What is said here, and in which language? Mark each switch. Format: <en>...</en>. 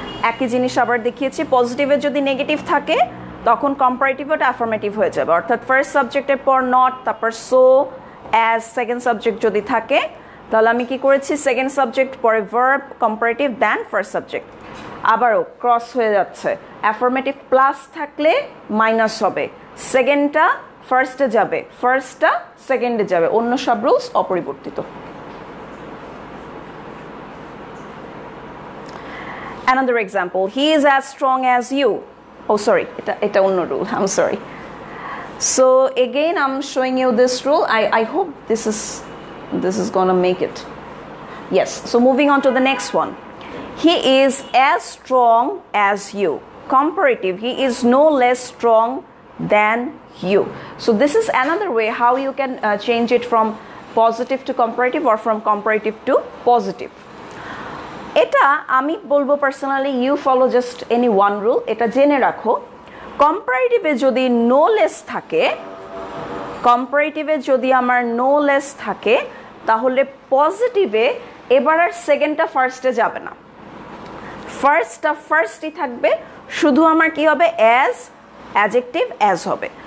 <bn>একই জিনিস আবার দেখিয়েছি, পজিটিভে যদি নেগেটিভ থাকে তখন কম্পারেটিভ ওটা অ্যাফার্মেটিভ হয়ে যাবে, অর্থাৎ ফার্স্ট সাবজেক্টের পর নট, তারপর সো, অ্যাজ সেকেন্ড সাবজেক্ট যদি থাকে তাহলে আমি কী করেছি, সেকেন্ড সাবজেক্ট পরে ভার্ব, কম্পারেটিভ দেন ফার্স্ট সাবজেক্ট। আবারও ক্রস হয়ে যাচ্ছে, অ্যাফার্মেটিভ প্লাস থাকলে মাইনাস হবে, সেকেন্ডটা ফার্স্টে যাবে, ফার্স্টটা সেকেন্ডে যাবে, অন্য সব রুলস অপরিবর্তিত।</bn> <en>Another example, he is as strong as you. Oh, sorry,</en> <bn>eta onno rule,</bn> <en>I'm sorry. So again, I'm showing you this rule. I hope this is gonna make it. Yes, so moving on to the next one. He is as strong as you. Comparative, he is no less strong than you. So this is another way how you can change it from positive to comparative or from comparative to positive.</en> <bn>এটা আমি বলবো</bn> <en>personally you follow just any one rule,</en> <bn>এটা জেনে রাখো, কম্পারেটিভে যদি no less থাকে, কম্পারেটিভে যদি আমার নো লেস থাকে তাহলে পজিটিভে এবার আর সেকেন্ডটা ফার্স্টে যাবে না, ফার্স্টটা ফার্স্টই থাকবে, শুধু আমার কী হবে, অ্যাজ অ্যাজেক্টিভ অ্যাজ হবে।</bn>